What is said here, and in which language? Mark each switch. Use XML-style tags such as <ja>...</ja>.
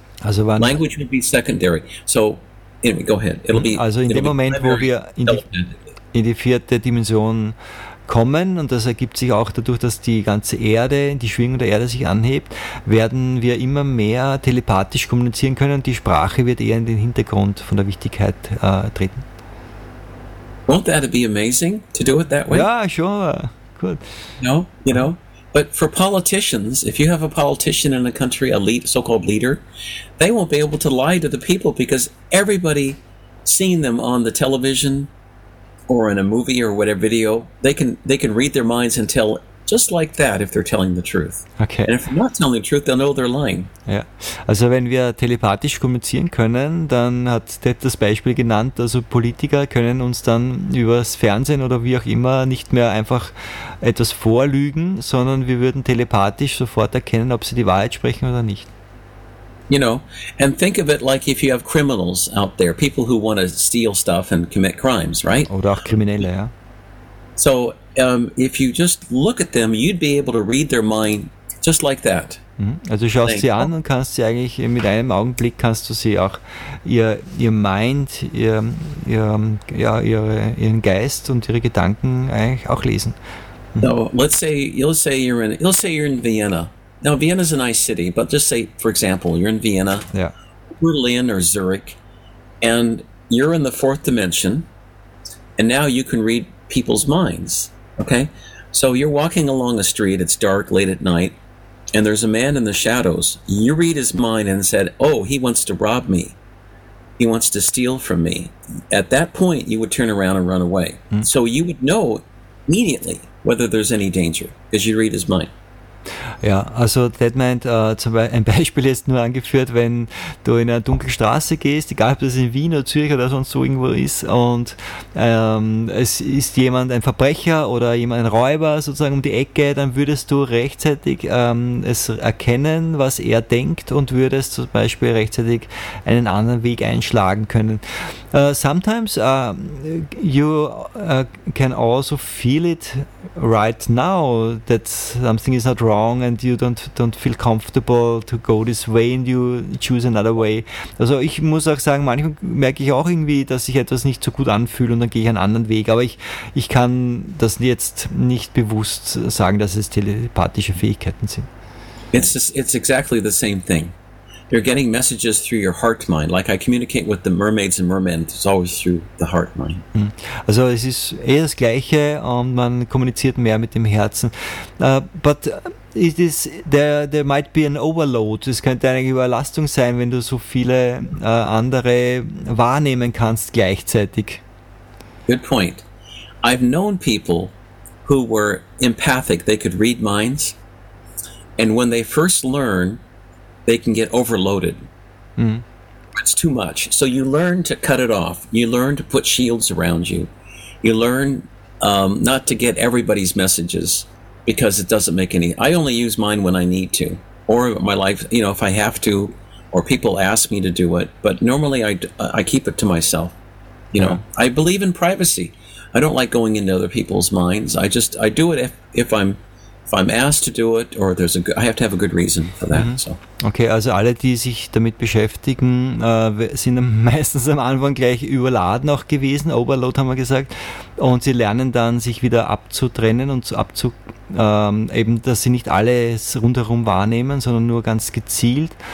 <de>Also wann?</de> <en>Language will be secondary. So, anyway, go ahead. It'll be, also in it'll</en> <de>Moment, wo wir in die vierte Dimension kommen, und das ergibt sich auch dadurch, dass die ganze Erde, die Schwingung der Erde sich anhebt, werden wir immer mehr telepathisch kommunizieren können, und die Sprache wird eher in den Hintergrund von der Wichtigkeit treten.</de> <en>Won't that be amazing to do it that way? Ja, sure. Good. No, you know, but for politicians, if you have a politician in a country, a lead, so-called leader, they won't be able to lie to the people, because everybody seeing them on the television or in a movie or whatever video, they can read their minds and tell just like that if they're telling the truth. Okay. And if they're not telling the truth, they'll know they're lying.</en> <de>Ja. Also wenn wir telepathisch kommunizieren können, dann hat Ted das Beispiel genannt, also Politiker können uns dann übers Fernsehen oder wie auch immer nicht mehr einfach etwas vorlügen, sondern wir würden telepathisch sofort erkennen, ob sie die Wahrheit sprechen oder nicht.</de> <en>You know, and think of it like if you have criminals out there, people who want to steal stuff and commit crimes, right?</en> <de>Oder auch Kriminelle, ja.</de> <en>So, if you just look at them, you'd be able to read their mind just like that.</en> <de>Also schaust sie an und kannst sie eigentlich mit einem Augenblick, kannst du sie auch ihr Mind, ihren Geist und ihre Gedanken eigentlich auch lesen.</de> <en>So, let's say you're in Vienna. Now, Vienna's a nice city, but just say, for example, you're in Vienna, Berlin or Zurich, and you're in the fourth dimension, and now you can read people's minds, okay? So you're walking along a street, it's dark, late at night, and there's a man in the shadows. You read his mind and said, oh, he wants to rob me. He wants to steal from me. At that point, you would turn around and run away. Mm. So you would know immediately whether there's any danger, because you read his mind.</en> <de>Ja, also Deadmind, ein Beispiel jetzt nur angeführt, wenn du in eine dunkle Straße gehst, egal ob das in Wien oder Zürich oder sonst so irgendwo ist, und es ist jemand, ein Verbrecher oder jemand, ein Räuber sozusagen um die Ecke, dann würdest du rechtzeitig es erkennen, was er denkt, und würdest zum Beispiel rechtzeitig einen anderen Weg einschlagen können.</de> <en>Sometimes you can also feel it right now that something is not wrong and you don't feel comfortable to go this way and you choose another way.</en> <de>Also ich muss auch sagen, manchmal merke ich auch irgendwie, dass ich etwas nicht so gut anfühle und dann gehe ich einen anderen Weg. Aber ich kann das jetzt nicht bewusst sagen, dass es telepathische Fähigkeiten sind.</de> <en>It's exactly the same thing. You're getting messages through your heart mind. Like I communicate with the mermaids and mermen, it's always through the heart mind.</en> <de>Also es ist eher das Gleiche und man kommuniziert mehr mit dem Herzen.</de> <en>But it is there might be an overload.</en> <de>Es könnte eine Überlastung sein, wenn du so viele andere wahrnehmen kannst gleichzeitig.</de> <en>Good point. I've known people who were empathic. They could read minds. And when they first learn, they can get overloaded. It's too much. So you learn to cut it off. You learn to put shields around you. You learn not to get everybody's messages, because it doesn't make any. I only use mine when I need to, or my life, you know, if I have to, or people ask me to do it. But normally I keep it to myself. You know, I believe in privacy. I don't like going into other people's minds. I do it if I'm asked to do it, or there's a good, I have to have a good reason for that. Mm-hmm. So.</en> <de>Okay, also alle, die sich damit beschäftigen, sind meistens am Anfang gleich überladen auch gewesen, Overload haben wir gesagt, und sie lernen dann, sich wieder abzutrennen und eben, dass sie nicht alles rundherum wahrnehmen, sondern nur ganz gezielt.</de>